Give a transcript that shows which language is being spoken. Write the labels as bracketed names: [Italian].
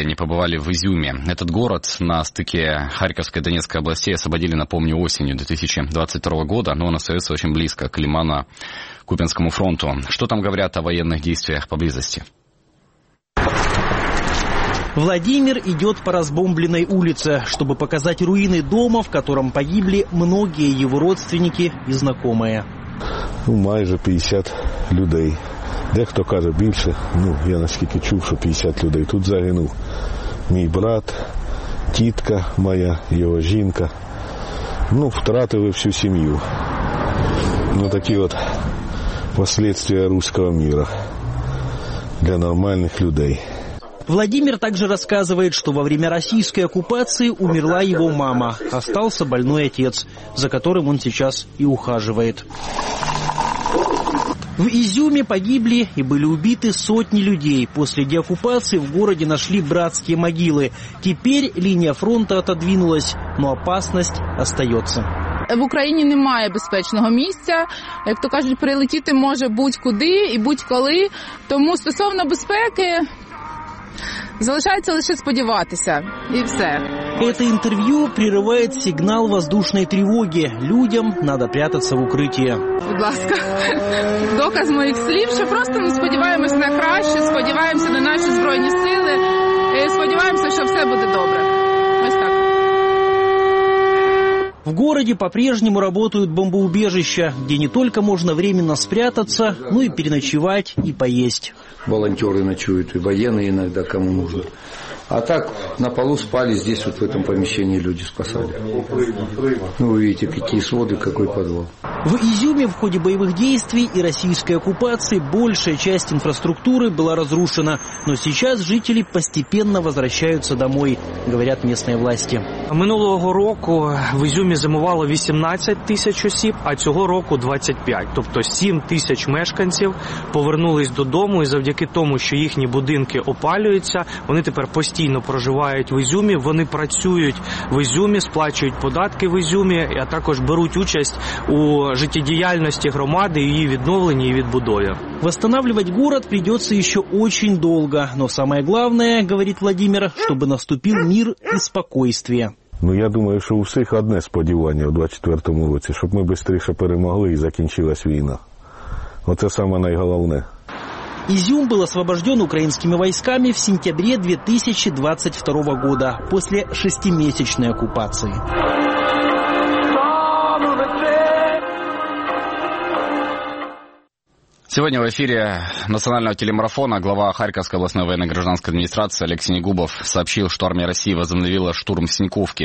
[Russian] Они побывали в Изюме. Этот город на стыке Харьковской и Донецкой областей освободили, напомню, осенью 2022 года, но он остается очень близко к Лимано-Купинскому фронту. Что там говорят о военных действиях поблизости? Владимир идет по разбомбленной улице, чтобы показать руины дома, в котором погибли многие его родственники и знакомые. [Ukrainian] Ну, майже 50 людей. Дехто каже більше, ну, я наскільки чув, що 50 людей тут загинув. Мій брат, тітка моя, його жінка. Ну, втратили всю сім'ю. Ну, такі от последствия руського міра для нормальних людей. [Russian] Владимир также рассказывает, что во время российской оккупации умерла его мама. Остался больной отец, за которым он сейчас и ухаживает. В Изюме погибли и были убиты сотни людей. После деоккупации в городе нашли братские могилы. Теперь линия фронта отодвинулась, но опасность остается. [Ukrainian] В Україні немає безпечного місця. Як то кажуть, прилетіти може будь-куди і будь-коли. Тому стосовно безпеки, залишається лише сподіватися. І все. [Russian] Это интервью прерывает сигнал воздушной тревоги. Людям надо прятаться в укрытие. [Ukrainian] Будь ласка, доказ [Russian] моих слов, что просто мы [Ukrainian] сподіваємося на краще, сподіваємося на наші збройні сили, і сподіваємося, що все буде добре. Ось так. [Russian] В городе по-прежнему работают бомбоубежища, где не только можно временно спрятаться, но и переночевать и поесть. Волонтеры ночуют, и военные иногда кому нужно. А так на полу спали, здесь вот в этом помещении люди спасали. Ну, вы видите, какие своды, какой подвал. В Изюме в ходе боевых действий и российской оккупации большая часть инфраструктуры была разрушена. Но сейчас жители постепенно возвращаются домой, говорят местные власти. [Ukrainian] Минулого року в Изюме зимовало 18 тысяч осіб, а цього року 25. Тобто 7 тисяч мешканців повернулись додому, і завдяки тому, що їхні будинки опалюються, вони тепер постійно проживають в Ізюмі, вони працюють в Ізюмі, сплачують податки в Ізюмі, а також беруть участь у життєдіяльності громади, її відновленні і відбудові. [Russian] Восстанавливать город придется еще очень долго, но самое главное, говорит Владимир, чтобы наступил мир и спокойствие. [Ukrainian] Ну, я думаю, що у всіх одне сподівання у 24-му році, щоб ми швидше перемогли і закінчилась війна. Оце саме найголовне. [Russian] Изюм был освобожден украинскими войсками в сентябре 2022 года после 6-месячной оккупации. Сегодня в эфире национального телемарафона глава Харьковской областной военно-гражданской администрации Алексей Негубов сообщил, что армия России возобновила штурм Синьковки.